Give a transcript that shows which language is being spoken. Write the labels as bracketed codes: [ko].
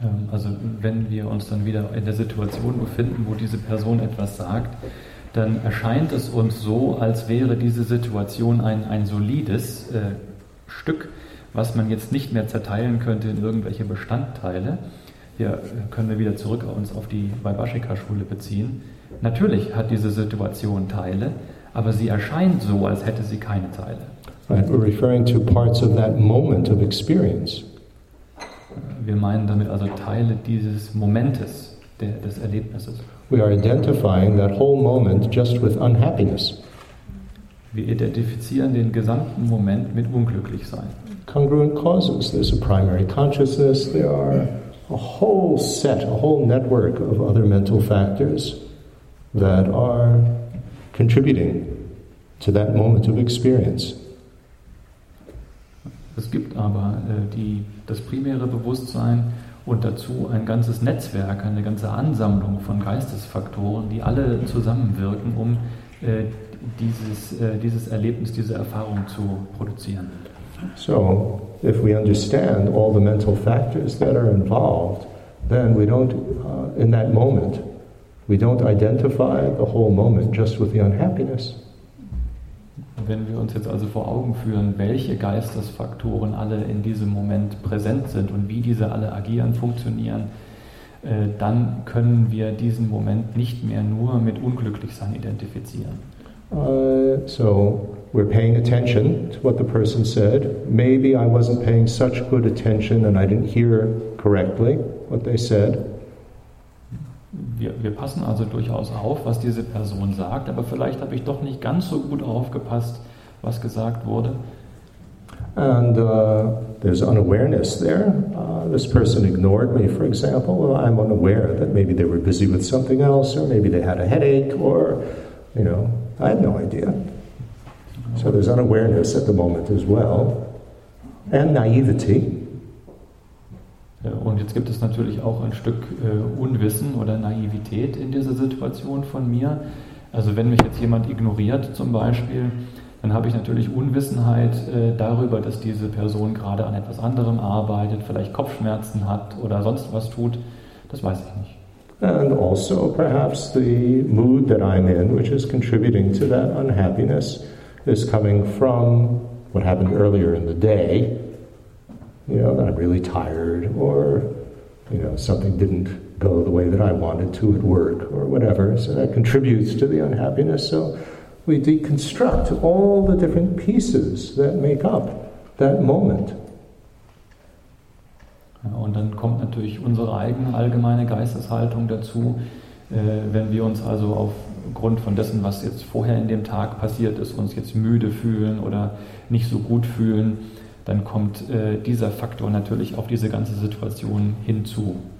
[de] Also wenn wir uns dann wieder in der Situation befinden, wo diese Person etwas sagt, dann erscheint es uns so, als wäre diese Situation ein solides Stück, was man jetzt nicht mehr zerteilen könnte in irgendwelche Bestandteile. Ja, können wir wieder zurück uns auf die Vaibhashika-Schule beziehen. Natürlich hat diese Situation Teile, aber sie erscheint so, als hätte sie keine Teile. [en] Right, we're referring to parts of that moment of experience. [de] Wir meinen damit also Teile dieses Momentes, des Erlebnisses. [en] We are identifying that whole moment just with unhappiness. [de] Wir identifizieren den gesamten Moment mit Unglücklichsein. [en] Congruent causes. There's a primary consciousness. There are a whole set, a whole network of other mental factors that are contributing to that moment of experience. [de] Es gibt aber das primäre Bewusstsein und dazu ein ganzes Netzwerk, eine ganze Ansammlung von Geistesfaktoren, die alle zusammenwirken, um dieses Erlebnis, diese Erfahrung zu produzieren. [en] So, if we understand all the mental factors that are involved, then we don't, in that moment, we don't identify the whole moment just with the unhappiness. [de] Wenn wir uns jetzt also vor Augen führen, welche Geistesfaktoren alle in diesem Moment präsent sind und wie diese alle agieren, funktionieren, dann können wir diesen Moment nicht mehr nur mit Unglücklichsein identifizieren. [en] So we're paying attention to what the person said. Maybe I wasn't paying such good attention and I didn't hear correctly what they said. [de] Wir passen also durchaus auf, was diese Person sagt, aber vielleicht habe ich doch nicht ganz so gut aufgepasst, was gesagt wurde. [en] And there's unawareness there. This person ignored me, for example. Well, I'm unaware that maybe they were busy with something else, or maybe they had a headache, or, you know, I have no idea. So there's unawareness at the moment as well, and naivety. [de] Und jetzt gibt es natürlich auch ein Stück Unwissen oder Naivität in dieser Situation von mir. Also wenn mich jetzt jemand ignoriert zum Beispiel, dann habe ich natürlich Unwissenheit darüber, dass diese Person gerade an etwas anderem arbeitet, vielleicht Kopfschmerzen hat oder sonst was tut. Das weiß ich nicht. [en] And also perhaps the mood that I'm in, which is contributing to that unhappiness, is coming from what happened earlier in the day. You know, that I'm really tired, or, you know, something didn't go the way that I wanted to at work, or whatever. So that contributes to the unhappiness. So We deconstruct all the different pieces that make up that moment. [de] Ja, und dann kommt natürlich unsere eigene allgemeine Geisteshaltung dazu, wenn wir uns also aufgrund von dessen, was jetzt vorher in dem Tag passiert ist, uns jetzt müde fühlen oder nicht so gut fühlen, dann kommt dieser Faktor natürlich auf diese ganze Situation hinzu.